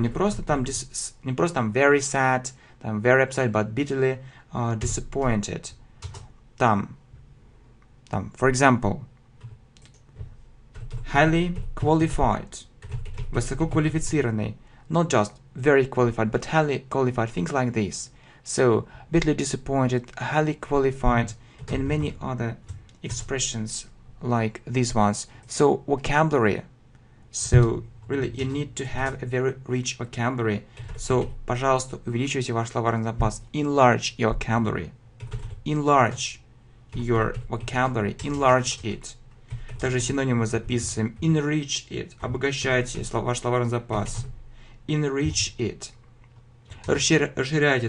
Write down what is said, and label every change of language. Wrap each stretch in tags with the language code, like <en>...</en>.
<ru>Не просто там</ru> <en>very sad, там very upset, but bitterly disappointed. Там, for example. Highly qualified.</en> <ru>Высококвалифицированный.</ru> <en>Not just very qualified, but highly qualified. Things like this. So, bitterly disappointed, highly qualified, and many other expressions like these ones. So, vocabulary. So, really, you need to have a very rich vocabulary.</en> <ru>So, пожалуйста, увеличивайте ваш словарный запас.</ru> <en>Enlarge your vocabulary. Enlarge your vocabulary. Enlarge it.</en> <ru>Также синонимы записываем.</ru> <en>Enrich it.</en> <ru>Обогащайте ваш словарный запас.</ru> <en>Enrich it. Расширяйте.</en>